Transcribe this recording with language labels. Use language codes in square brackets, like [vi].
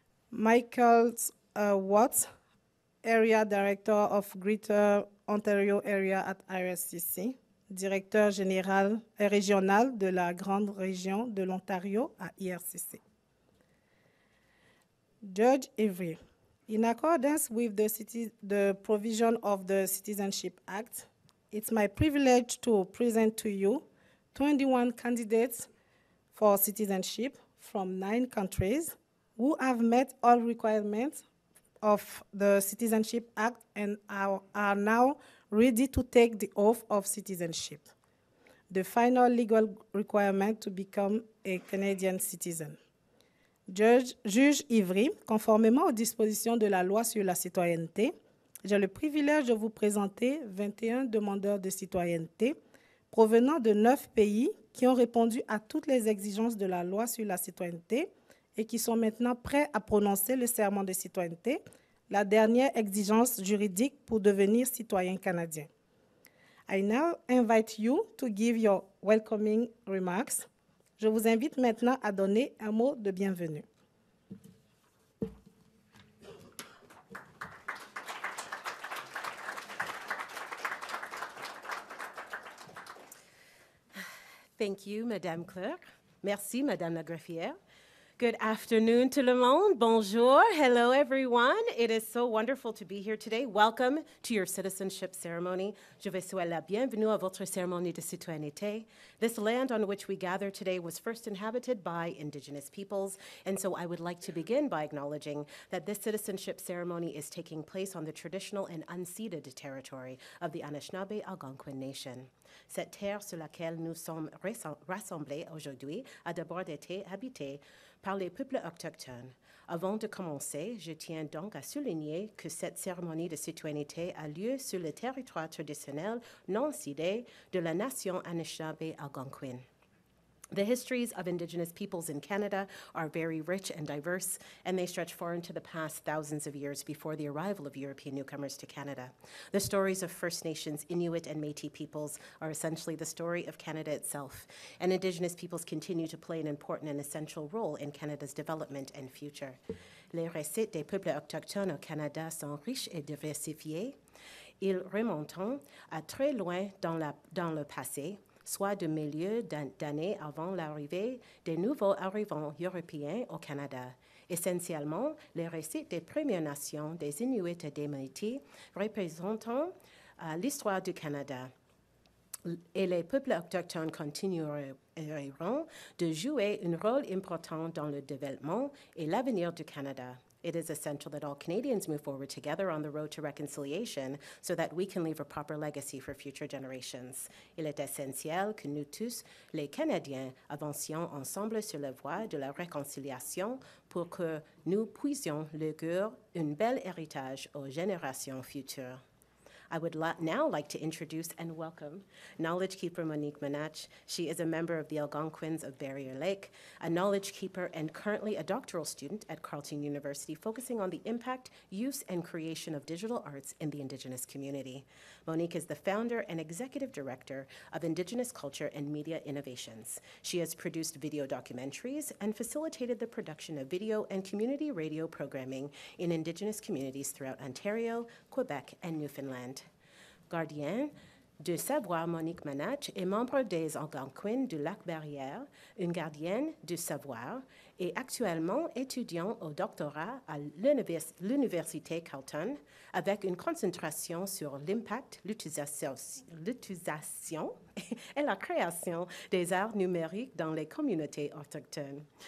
[fr] Michael Watts, [en] Area Director of Greater Ontario Area at IRCC, [fr] directeur général et régional de la grande région de l'Ontario à IRCC. [en] Judge Ivri, in accordance with the provision of the Citizenship Act, it's my privilege to present to you 21 candidates for citizenship from 9 countries who have met all requirements of the Citizenship Act and are now ready to take the oath of citizenship, the final legal requirement to become a Canadian citizen. [fr] Juge Ivri, conformément aux dispositions de la loi sur la citoyenneté, j'ai le privilège de vous présenter 21 demandeurs de citoyenneté provenant de 9 pays qui ont répondu à toutes les exigences de la loi sur la citoyenneté et qui sont maintenant prêts à prononcer le serment de citoyenneté, la dernière exigence juridique pour devenir citoyen canadien. [en] I now invite you to give your welcoming remarks. [fr] Je vous invite maintenant à donner un mot de bienvenue. [en] Thank you, Madame Clerk. [fr] Merci, Madame la Greffière. [en] Good afternoon to [fr] le monde. Bonjour. [en] Hello, everyone. It is so wonderful to be here today. Welcome to your citizenship ceremony. [fr] Je vous souhaite la bienvenue à votre cérémonie de citoyenneté. [en] This land on which we gather today was first inhabited by Indigenous peoples, and so I would like to begin by acknowledging that this citizenship ceremony is taking place on the traditional and unceded territory of the Anishinaabe Algonquin Nation. [fr] Cette terre sur laquelle nous sommes rassemblés aujourd'hui a d'abord été habitée par les peuples autochtones. Avant de commencer, je tiens donc à souligner que cette cérémonie de citoyenneté a lieu sur le territoire traditionnel non cédé de la nation Anishinaabe Algonquin. [en] The histories of Indigenous peoples in Canada are very rich and diverse, and they stretch far into the past thousands of years before the arrival of European newcomers to Canada. The stories of First Nations, Inuit, and Métis peoples are essentially the story of Canada itself, and Indigenous peoples continue to play an important and essential role in Canada's development and future. [fr] Les récits des peuples autochtones au Canada sont riches et diversifiés. Ils remontent à très loin dans le passé, soit de milliers d'années avant l'arrivée des nouveaux arrivants européens au Canada. Essentiellement, les récits des Premières Nations, des Inuits et des Métis représentent l'histoire du Canada. Et les peuples autochtones continueront de jouer un rôle important dans le développement et l'avenir du Canada. [en] It is essential that all Canadians move forward together on the road to reconciliation so that we can leave a proper legacy for future generations. [fr] Il est essentiel que nous tous, les Canadiens, avancions ensemble sur la voie de la réconciliation pour que nous puissions léguer un bel héritage aux générations futures. [en] I would now like to introduce and welcome Knowledge Keeper Monique Manatch. She is a member of the Algonquins of Barriere Lake, a knowledge keeper and currently a doctoral student at Carleton University focusing on the impact, use, and creation of digital arts in the Indigenous community. Monique is the founder and executive director of Indigenous Culture and Media Innovations. She has produced video documentaries and facilitated the production of video and community radio programming in Indigenous communities throughout Ontario, Quebec, and Newfoundland. [fr] Gardien de savoir, Monique Manatch est membre des Algonquins du lac Barrière, une gardienne du savoir, et actuellement étudiant au doctorat à l'Université Carleton, avec une concentration sur l'impact, l'utilisation et la création des arts numériques dans les communautés autochtones.